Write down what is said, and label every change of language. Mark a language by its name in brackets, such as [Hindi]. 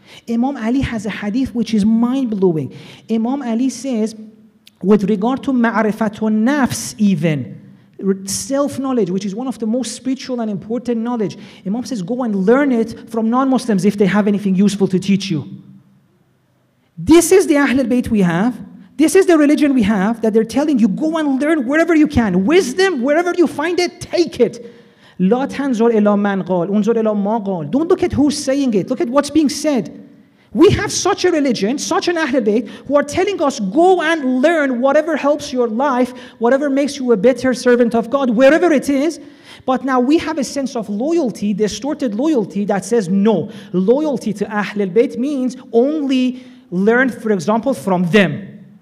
[English] Imam Ali has a hadith which is mind-blowing. Imam Ali says, with regard to ma'rifatu nafs even, self-knowledge, which is one of the most spiritual and important knowledge, Imam says, go and learn it from non-Muslims if they have anything useful to teach you. This is the Ahlul Bayt we have. This is the religion we have, that they're telling you, go and learn wherever you can. Wisdom, wherever you find it, take it. [Arabic] لا تنظر إلى من قال, انظر إلى ما قال. [English] Don't look at who's saying it. Look at what's being said. We have such a religion, such an Ahlul Bayt, who are telling us, go and learn whatever helps your life, whatever makes you a better servant of God, wherever it is. But now we have a sense of loyalty, distorted loyalty, that says no. Loyalty to Ahlul Bayt means only learn, for example, from them.